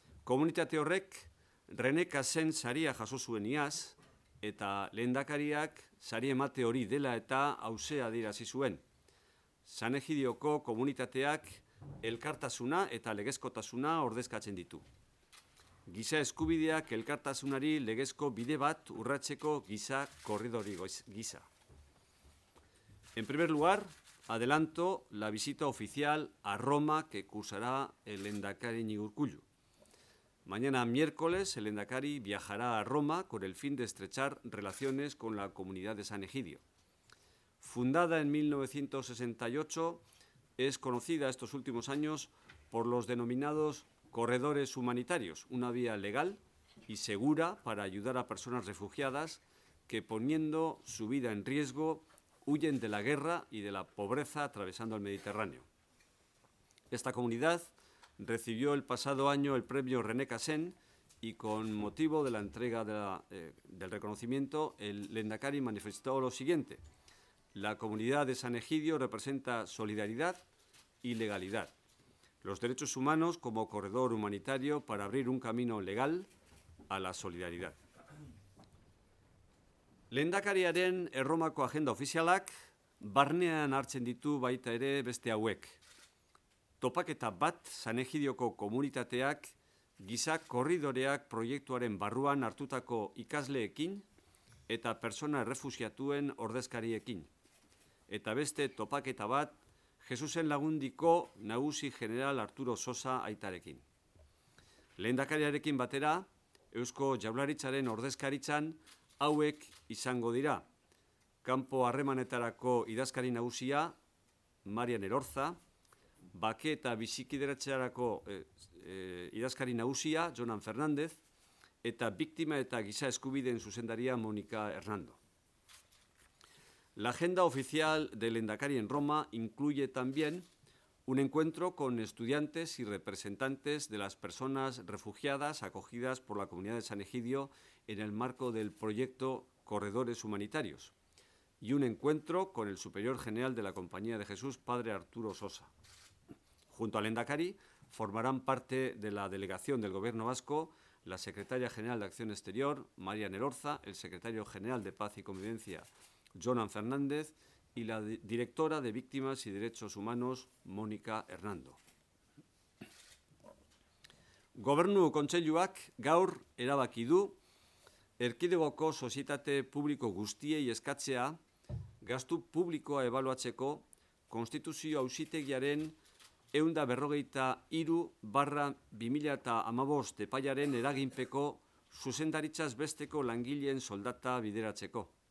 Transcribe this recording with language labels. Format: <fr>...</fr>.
<eu>Komunitate horrek René Cassens saria jaso zuen iaz eta lehendakariak sari emate hori dela eta hausea adierazi zuen. San Egidioko komunitateak elkartasuna eta legezkotasuna ordezkatzen ditu. Giza eskubideak elkartasunari legezko bide bat urratzeko giza korridori giza.</eu> <es>En primer lugar, adelanto la visita oficial a Roma que cursará el lehendakari Iñigo Urkullu. Mañana miércoles el lehendakari viajará a Roma con el fin de estrechar relaciones con la comunidad de San Egidio. Fundada en 1968, es conocida estos últimos años por los denominados corredores humanitarios, una vía legal y segura para ayudar a personas refugiadas que, poniendo su vida en riesgo, huyen de la guerra y de la pobreza atravesando el Mediterráneo. Esta comunidad recibió el pasado año el premio René Cassens y, con motivo de la entrega de del reconocimiento, el lehendakari manifestó lo siguiente: la comunidad de San Egidio representa solidaridad y legalidad. Los derechos humanos como corredor humanitario para abrir un camino legal a la solidaridad.</es> <eu>Lehendakariaren Erromako agenda ofizialak barnean hartzen ditu baita ere beste hauek. Topaketa bat San Egidioko komunitateak giza korridoreak proiektuaren barruan hartutako ikasleekin eta persona errefusiatuen ordezkariekin. Eta beste topaketa bat Jesusen lagundiko nagusi general Arturo Sosa aitarekin. Lehendakariarekin batera, Eusko Jaularitzaren ordezkaritzan hauek izango dira: kanpo harremanetarako idazkari nagusia Marian Erorza, bake eta bizikideratzearako idazkari nagusia Jonan Fernandez eta biktima eta giza eskubideen zuzendaria Monika Hernando.</eu> <es>La agenda oficial del lehendakari en Roma incluye también un encuentro con estudiantes y representantes de las personas refugiadas acogidas por la comunidad de San Egidio en el marco del proyecto Corredores Humanitarios y un encuentro con el superior general de la Compañía de Jesús, padre Arturo Sosa. Junto al lehendakari formarán parte de la delegación del Gobierno Vasco la secretaria general de Acción Exterior, María Nerorza, el secretario general de Paz y Convivencia, Jonan Fernández, y la directora de Víctimas y Derechos Humanos, Mónica Hernando.</es> <eu>Gobernu kontseiluak gaur erabaki du erkidegoko sozietate publiko guztiei eskatzea gastu publikoa ebaluatzeko konstituzio auzitegiaren 143/2015 epaiaren eraginpeko zuzendaritzaz besteko langileen soldata bideratzeko.</eu>